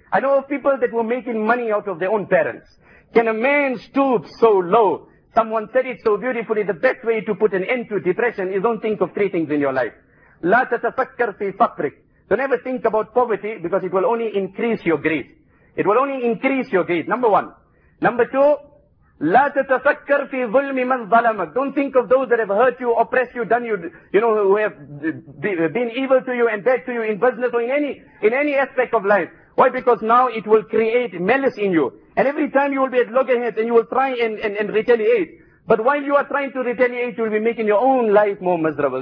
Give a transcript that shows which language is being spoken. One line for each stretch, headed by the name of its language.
English: I know of people that were making money out of their own parents. Can a man stoop so low? Someone said it so beautifully, the best way to put an end to depression is don't think of three things in your life.
Arabic: لَا تَتَفَكَّرْ فِي فَقْرِكْ.
English: Don't ever think about poverty because it will only increase your greed. It will only increase your greed, number one. Number two,
Arabic: لَا تَتَفَكَّرْ فِي ظُلْمِ مَنْ ظَلَمَكْ.
English: Don't think of those that have hurt you, oppressed you, done you, you know, who have been evil to you and bad to you in business or in any aspect of life. Why? Because now it will create malice in you. And every time you will be at loggerheads and you will try and retaliate. But while you are trying to retaliate, you will be making your own life more miserable.